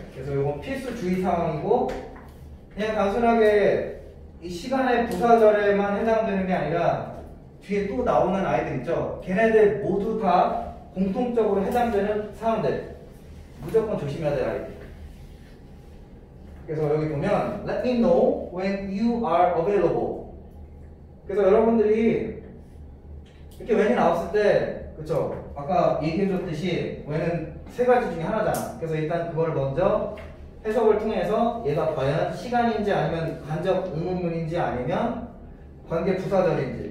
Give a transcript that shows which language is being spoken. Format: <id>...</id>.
<ko>그래서 이건 필수 주의 사항이고, 그냥 단순하게 이 시간의 부사절에만 해당되는 게 아니라 뒤에 또 나오는 아이들 있죠? 걔네들 모두 다 공통적으로 해당되는 사항들. 무조건 조심해야 될 아이들. 그래서 여기 보면</ko> <en>Let me know when you are available.</en> <ko>그래서 여러분들이 이렇게 when이 나왔을 때, 그쵸? 아까 얘기해줬듯이 when은 세 가지 중에 하나잖아. 그래서 일단 그걸 먼저 해석을 통해서 얘가 과연 시간인지 아니면 간접 의문문인지 아니면 관계 부사절인지.</ko>